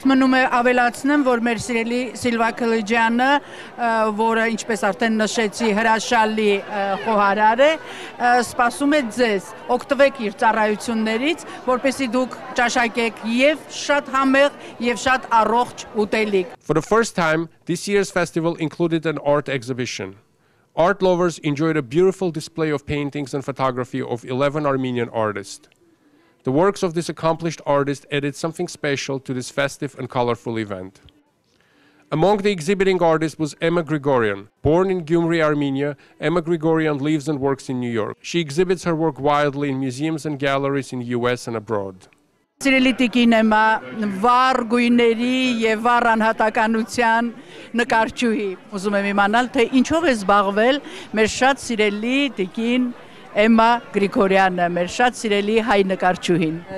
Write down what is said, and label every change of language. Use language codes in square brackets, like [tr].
[hy] Մնում է ավելացնեմ, որ մեր սիրելի Սիլվա Քլիջյանը, որը ինչպես արդեն նշեցի, հրաշալի խոհարար է, սպասում է ձեզ, օգտվեք իր ծառայություններից, որպեսզի դուք ճաշակեք եւ շատ համեղ եւ շատ առողջ ուտելիք. [en] For the first time, this year's festival included an art exhibition. Art lovers enjoyed a beautiful display of paintings and photography of 11 Armenian artists. The works of this accomplished artist added something special to this festive and colorful event. Among the exhibiting artists was Emma Grigorian. Born in Gyumri, Armenia, Emma Grigorian lives and works in New York. She exhibits her work widely in museums and galleries in the US and abroad. [hy] Սիրելի տիկին Էմմա, վառ գույների եւ վառ անհատականության նկարչուհի, ուզում եմ իմանալ, թե ինչով է զբաղվել մեր շատ սիրելի տիկին Էմմա Գրիգորյանը, մեր շատ սիրելի հայ նկարչուհին։